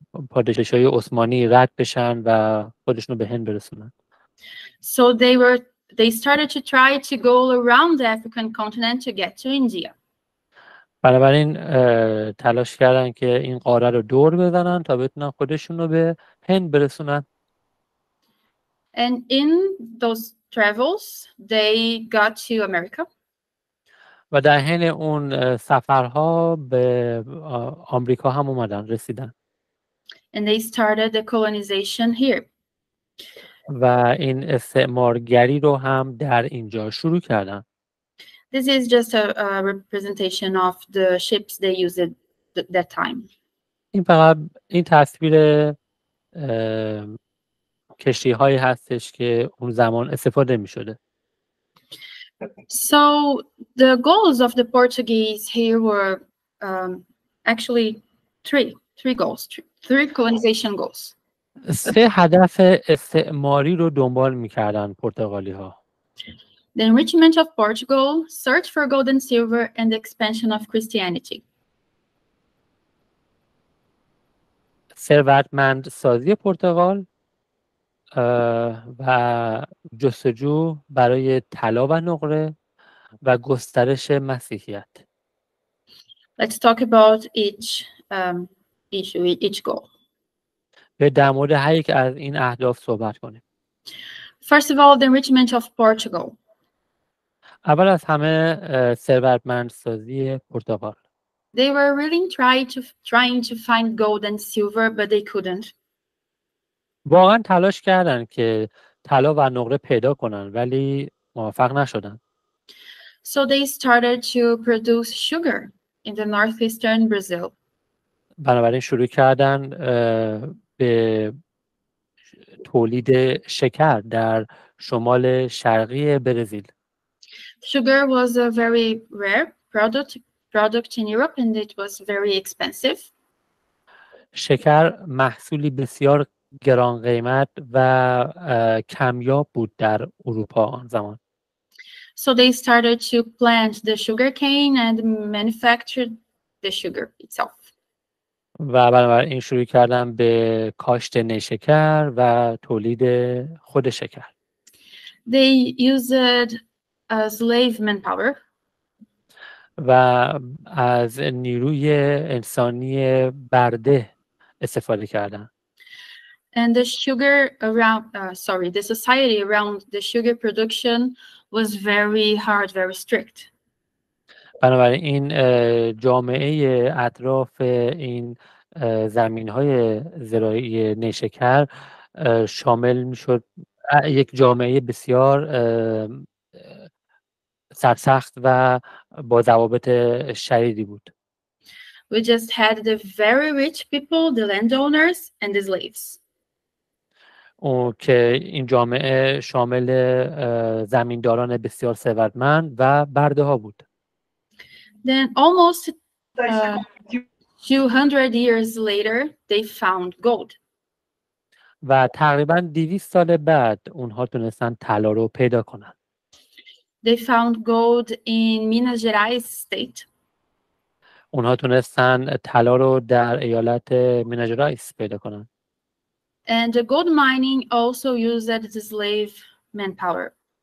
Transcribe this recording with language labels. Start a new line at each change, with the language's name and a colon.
Persian: پادشاهی عثمانی رد بشن و خودشونو به هند برسونن.
English: So they started to try to go around the African continent to get to India.
Persian: بنابراین تلاش کردن که این قاره رو دور بزنن تا بتونن خودشونو به هند برسونن.
English: And in those travels, they got to America.
Persian: و در حین اون سفرها به آمریکا هم اومدن رسیدن.
English: And they started the colonization here.
Persian: و این استعمارگری رو هم در اینجا شروع کردن.
English: This is just a representation of the ships they used at that time.
Persian: این فقط این تصویر کشتی هایی هستش که اون زمان استفاده می شده.
English: So the goals of the Portuguese here were actually three colonization goals.
Persian: سه هدف استعماری رو دنبال می‌کردن پرتغالی‌ها.
English: The enrichment of Portugal, search for gold and silver, and the expansion of Christianity.
Persian: ثروتمند سازی پرتغال و جستجو برای طلا و نقره و گسترش مسیحیت.
English: Let's talk about each issue, each goal.
Persian: به در مورد هر یک از این اهداف صحبت کنیم.
English: First of all, the enrichment of Portugal.
Persian: اول از همه ثروتمندسازی پرتغال.
English: They were really trying to find gold and silver, but they couldn't.
Persian: واقعا تلاش کردن که طلا و نقره پیدا کنن ولی موفق نشدن.
English: So they started to produce sugar in the northeastern Brazil.
Persian: بنابراین شروع کردن به تولید شکر در شمال شرقی برزیل.
English: Sugar was a very rare product in Europe and it was very expensive.
Persian: شکر محصولی بسیار گران قیمت و کمیاب بود در اروپا آن زمان.
English: So they started to plant the sugar cane and manufactured the sugar itself.
Persian: و بنابراین شروع کردن به کاشت نیشکر و تولید خود شکر.
English: They used a slave manpower.
Persian: و از نیروی انسانی برده استفاده کردن.
English: And the sugar around, the society around the sugar production was very hard, very strict.
Persian: بنابراین این جامعه اطراف این زمین‌های زراعی نیشکر شامل می‌شد یک جامعه بسیار سرسخت و با ضوابط شدیدی بود.
English: We just had the very rich people, the landowners and the slaves.
Persian: او که این جامعه شامل زمینداران بسیار ثروتمند و برده‌ها بود.
English: Then almost 200 years later they found gold.
Persian: و تقریبا 200 سال بعد اونها تونستن طلا رو پیدا کنن.
English: They found gold in Minas Gerais state.
Persian: اونها تونستن طلا رو در ایالت مینا جرایس پیدا کنن.
English: And the gold mining also used the slave manpower.